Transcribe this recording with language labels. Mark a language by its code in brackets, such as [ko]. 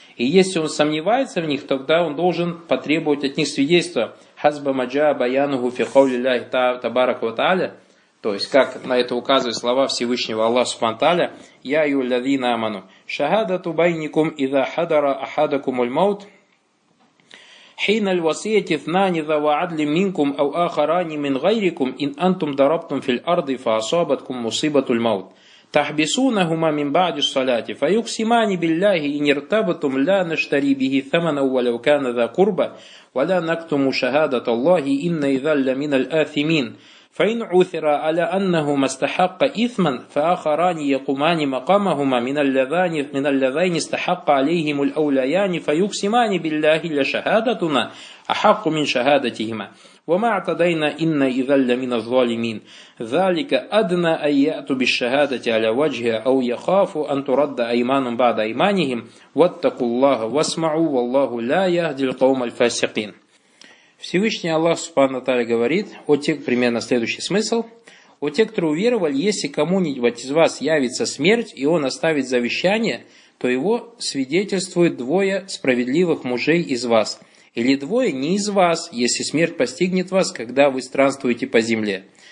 [ru] И если он сомневается в них, тогда он должен потребовать от них свидетельства. [ar] Хазба маджа баянуху фихаули ляхи табарак ва тааля. [ru] То есть, как на это указывают слова Всевышнего Аллаха субхана тааля. [ar] Я ю лавина аману. Шахадату байникум иза хадара ахадакум уль маут. حين الوصية اثنان ذو عدل منكم أو آخران من غيركم إن أنتم ضربتم في الأرض فأصابتكم مصيبة الموت تحبسونهما من بعد الصلاة فيقسمان بالله إن ارتبطتم لا نشتري به ثمنا ولو كان ذا قربى ولا نكتم شهادة الله إن إذا لمن الآثمين فإن عثر على أنهما استحق إثما فآخران يقومان مقامهما من اللذين استحق عليهم الأوليان فيقسمان بالله لشهادتنا أحق من شهادتهما وما اعتدينا إن إذا لمن الظالمين ذلك أدنى أن يأتوا بالشهادة على وجهها أو يخافوا أن ترد أيمان بعد أيمانهم واتقوا الله واسمعوا والله لا يهدي القوم الفاسقين. [ru] Всевышний Аллах Субхану Таля говорит о тех, примерно следующий смысл. «О тех, кто уверовали, если кому-нибудь из вас явится смерть, и он оставит завещание, то его свидетельствует двое справедливых мужей из вас, или двое не из вас, если смерть постигнет вас, когда вы странствуете по земле.